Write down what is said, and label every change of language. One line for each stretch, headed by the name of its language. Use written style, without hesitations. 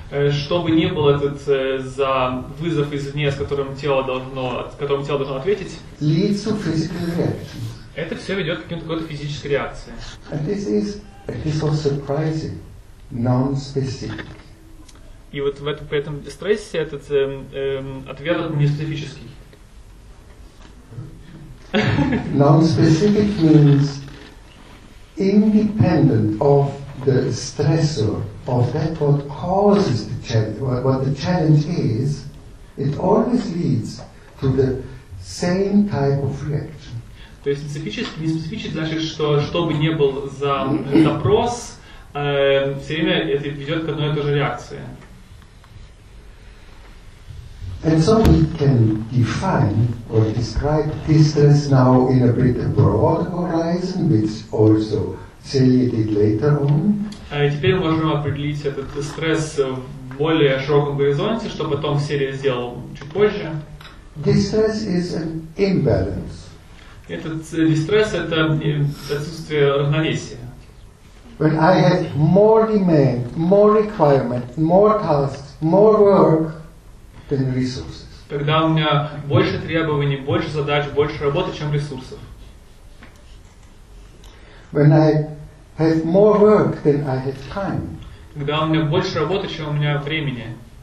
Russian: Что бы ни был этот за вызов извне, с которым тело должно, ответить,
English: leads to physical reactions.
Russian: Это все ведет к какой-то физической реакции.
English: And this is, surprising, non-specific.
Russian: И вот в этом, стрессе этот ответ неспецифический.
English: Non-specific means independent of the stressor, of that what causes the challenge, what the challenge is, it always leads to the same type of reaction.
Russian: То есть специфически, не специфически, значит, что, бы ни был за запрос, все время это ведет к одной и той же реакции.
English: And so we can define or describe distress now in a bit broad horizon, which also Celia did later on.
Russian: Теперь можем определить этот стресс в более широком горизонте, что потом Celia сделал чуть позже.
English: Distress is an imbalance.
Russian: Этот дистресс – это отсутствие равновесия.
English: When I have more demand, more requirement, more tasks, more work than resources.
Russian: Когда у меня больше требований, больше задач, больше работы, чем ресурсов.
English: When I have more work than I have time.
Russian: Когда у меня больше работы, чем у меня времени.